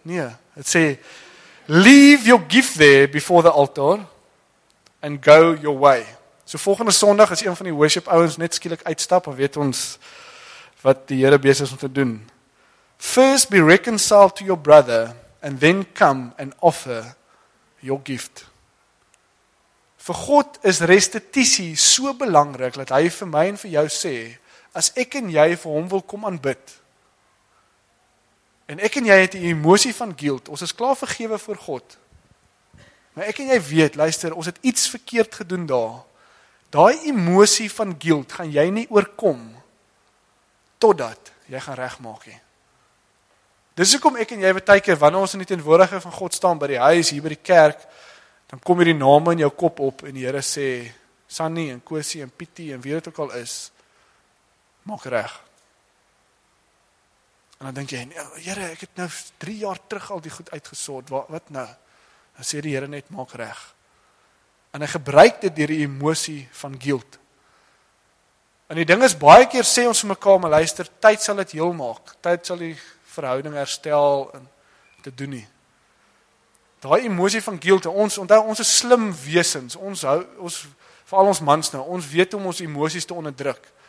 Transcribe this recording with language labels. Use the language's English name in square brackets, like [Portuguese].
[Afrikaans] Nee, het sê, [English] leave your gift there before the altar, and go your way. [Afrikaans] So volgende sondag is een van die worship ouens net skielik uitstap, en weet ons wat die Here besig is om te doen. [English] First be reconciled to your brother, and then come and offer your gift. [Afrikaans] Vir God is restitusie so belangrik, dat hy vir my en vir jou sê, as ek en jy vir hom wil kom aanbid, en ek en jy het die emosie van guilt, ons is klaar vergewe voor God, maar ek en jy weet, luister, ons het iets verkeerd gedoen daar, daai emosie van guilt gaan jy nie oorkom, totdat jy gaan regmaak hê. Dis hoekom ek en jy baie keer, wanneer ons in die teenwoordigheid van God staan, by die huis, hier by die kerk, dan kom hier die name in jou kop op, en die Here sê, Sunny en Kosie en Pietie, en wie dit ook al is, maak reg. En dan denk jy, Here, ek het nou 3 jaar terug al die goed uitgesort, wat nou? Dan sê die Here net, maak reg. En hy gebruik dit dier die emosie van guilt. En die ding is, baie keer sê ons vir mekaar, maar luister, tyd sal het heel maak, tyd sal die verhouding herstel en te doen nie. Daai emosie van guilt, ons onthou, ons is slim wesens, vooral ons mans nou, ons weet om ons emosies te onderdruk.